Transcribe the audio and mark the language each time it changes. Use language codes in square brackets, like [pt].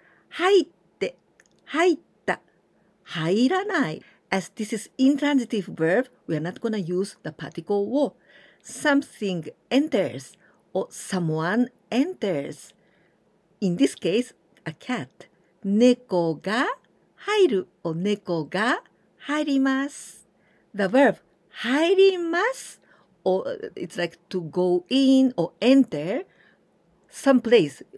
[ja] 入って, 入った, 入らない. [en] As this is intransitive verb, we are not going to use the particle wo. Something enters or someone enters. In this case, a cat. [ja] 猫が入る or 猫が入ります. [en] The verb 入ります, or it's like to go in or enter someplace.